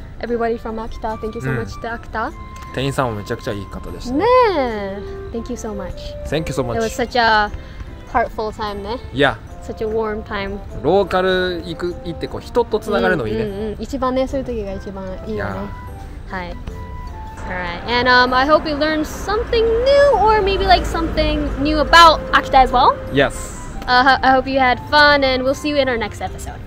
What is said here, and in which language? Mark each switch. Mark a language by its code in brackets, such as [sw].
[en] Everybody from Akita, thank you so much to Akita. [ja] 店員さんもめちゃくちゃいい方でした。 [en] ねえ。Thank you so much. Thank you so much. It was such a heartful time, ね。 Yeah. Such a warm time. [ja] ローカル行ってこう人とつながるのいいね。うんうん、一番ね、そういう時が一番いいよね。はい。 [en] Alright, and I hope you learned something new or maybe like something new about Akita as well. Yes. I hope you had fun and we'll see you in our next episode.